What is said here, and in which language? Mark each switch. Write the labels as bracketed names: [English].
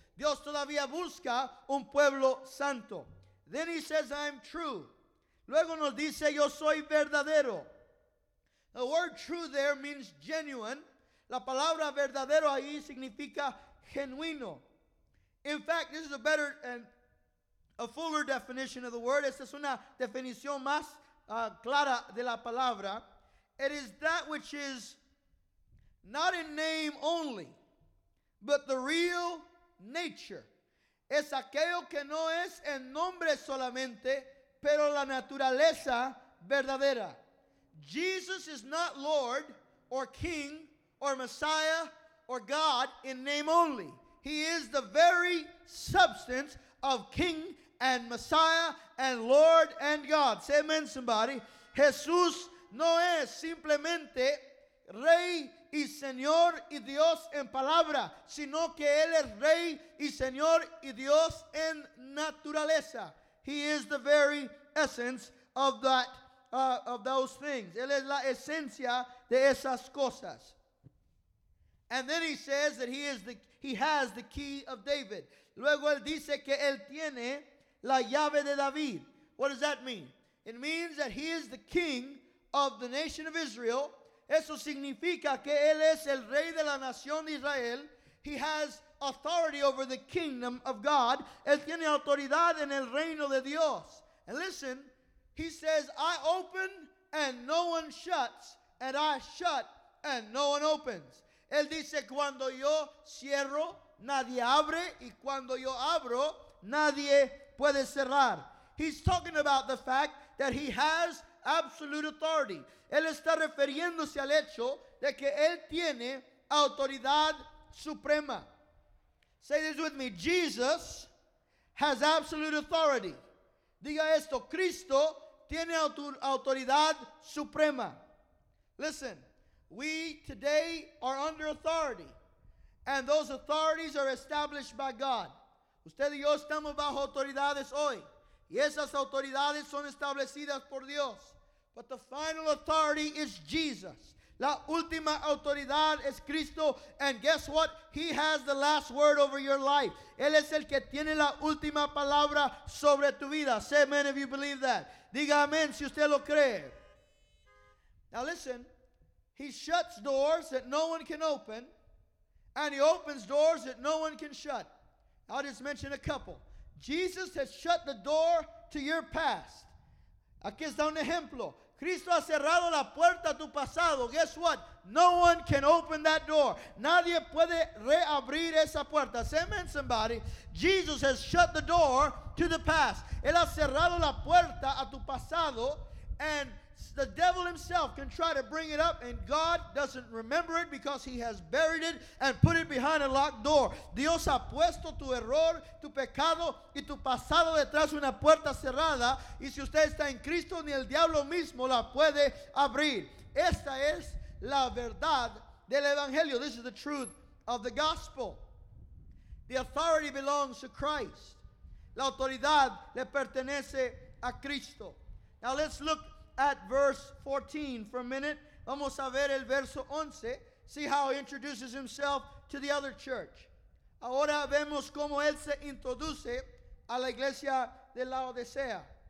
[Spanish] Dios todavía busca un pueblo santo. [English] Then he says, I am true. [Spanish] Luego nos dice, yo soy verdadero. [English] The word true there means genuine. [Spanish] La palabra verdadero ahí significa genuino. [English] In fact, this is a better and a fuller definition of the word. [Spanish] Esta es una definición más clara de la palabra. [English] It is that which is not in name only, but the real nature. [Spanish] Es aquello que no es en nombre solamente, pero la naturaleza verdadera. [English] Jesus is not Lord or King or Messiah or God in name only. He is the very substance of King and Messiah and Lord and God. Say amen, somebody. [Spanish] Jesús no es simplemente Rey y Señor y Dios en palabra, sino que Él es Rey y Señor y Dios en naturaleza. [English] He is the very essence of that, of those things. [Spanish] Él es la esencia de esas cosas. [English] And then he says that he has the key of David. [Spanish] Luego él dice que él tiene la llave de David. [English] What does that mean? It means that he is the king of the nation of Israel. [Spanish] Eso significa que él es el rey de la nación de Israel. [English] He has authority over the kingdom of God. [Spanish] Él tiene autoridad en el reino de Dios. [English] And listen, he says, I open and no one shuts, and I shut and no one opens. [Spanish] Él dice, cuando yo cierro, nadie abre, y cuando yo abro, nadie puede cerrar. [English] He's talking about the fact that he has absolute authority. [Spanish] Él está refiriéndose al hecho de que él tiene autoridad suprema. [English] Say this with me. Jesus has absolute authority. [Spanish] Diga esto. Cristo tiene autoridad suprema. [English] Listen. We today are under authority. And those authorities are established by God. [Spanish] Usted y yo estamos bajo autoridades hoy. Y esas autoridades son establecidas por Dios. [English] But the final authority is Jesus. [Spanish] La última autoridad es Cristo. [English] And guess what? He has the last word over your life. [Spanish] Él es el que tiene la última palabra sobre tu vida. [English] Say amen if you believe that. [Spanish] Diga amen si usted lo cree. [English] Now listen. He shuts doors that no one can open. And he opens doors that no one can shut. I'll just mention a couple. Jesus has shut the door to your past. [Spanish] Aquí está un ejemplo. Cristo ha cerrado la puerta a tu pasado. [English] Guess what? No one can open that door. [Spanish] Nadie puede reabrir esa puerta. [English] Say amen, somebody. Jesus has shut the door to the past. [Spanish] Él ha cerrado la puerta a tu pasado. [English] And the devil himself can try to bring it up, and God doesn't remember it because he has buried it and put it behind a locked door. [Spanish] Dios ha puesto tu error, tu pecado y tu pasado detrás de una puerta cerrada, y si usted está en Cristo, ni el diablo mismo la puede abrir. Esta es la verdad del evangelio. [English] This is the truth of the gospel. The authority belongs to Christ. [Spanish] La autoridad le pertenece a Cristo. [English] Now let's look at verse 14 for a minute. [Spanish] Vamos a ver el verso 11. [English] See how he introduces himself to the other church. [Spanish] Ahora vemos cómo él se introduce a la iglesia de la Odisea.